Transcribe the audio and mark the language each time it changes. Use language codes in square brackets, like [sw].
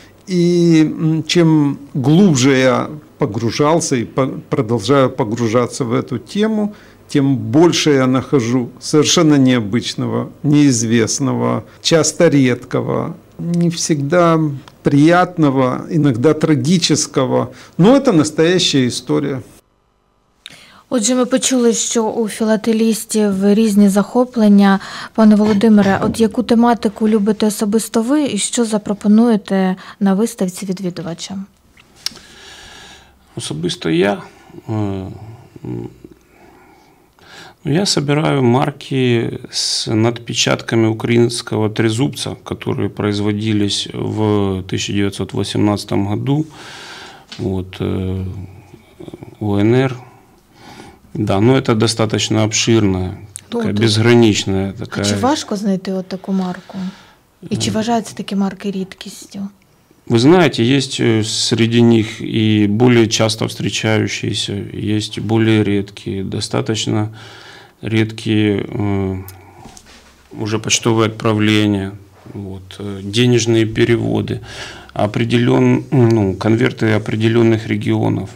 [ru] И чем глубже я погружался и продолжаю погружаться в эту тему, тем больше я нахожу совершенно необычного, неизвестного, часто редкого, не всегда приятного, иногда трагического. Но это настоящая история. [uk] Отже, ми почули, що у філателістів різні захоплення. Пане Володимире, от яку тематику любите особисто ви і що запропонуєте на виставці відвідувачам? Особисто я? Я збираю марки з надпечатками українського тризубця, які [ru] производились в 1918 году от [uk] УНР. [ru] Да, ну это достаточно обширная, такая безграничная такая. [uk] А чи важко знайти от таку марку? И чи вважаються такі марки рідкістю? [ru] Вы знаете, есть среди них и более часто встречающиеся, есть более редкие, достаточно редкие уже почтовые отправления, вот, денежные переводы. Конверты определенных регионов.